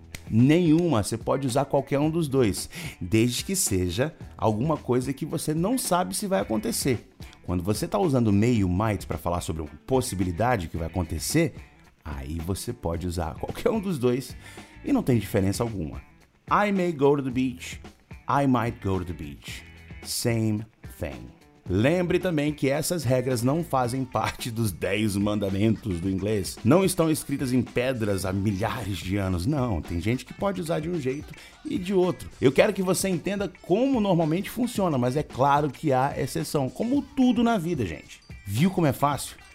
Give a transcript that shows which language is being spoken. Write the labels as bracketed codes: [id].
[pt] Nenhuma, você pode usar qualquer um dos dois, desde que seja alguma coisa que você não sabe se vai acontecer. Quando você está usando o may e o might para falar sobre uma possibilidade que vai acontecer, aí você pode usar qualquer um dos dois e não tem diferença alguma. [en] I may go to the beach, I might go to the beach. Same thing. [pt] Lembre também que essas regras não fazem parte dos 10 mandamentos do inglês. Não estão escritas em pedras há milhares de anos, não. Tem gente que pode usar de um jeito e de outro. Eu quero que você entenda como normalmente funciona, mas é claro que há exceção, como tudo na vida, gente. Viu como é fácil?